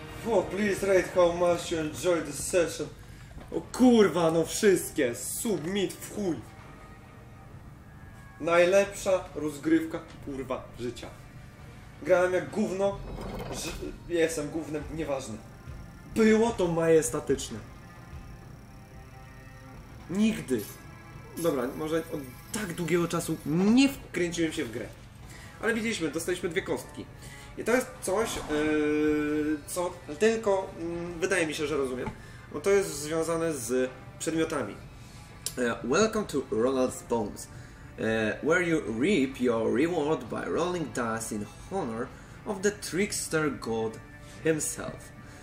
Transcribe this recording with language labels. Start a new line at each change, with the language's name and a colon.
English: Oh, please, Raid, how much you enjoy the session.
Polish: O kurwa, no wszystkie. Submit w chuj. Najlepsza rozgrywka, kurwa, życia. Grałem jak gówno. Jestem gównem, nieważne. Było to majestatyczne. Nigdy. Dobra, może od tak długiego czasu nie wkręciłem się w grę. Ale widzieliśmy, dostaliśmy dwie kostki. I to jest coś, co tylko wydaje mi się, że rozumiem. Bo to jest związane z przedmiotami.
English: Welcome to Ronald's Bones, where you reap your reward by rolling dice in honor of the trickster god himself.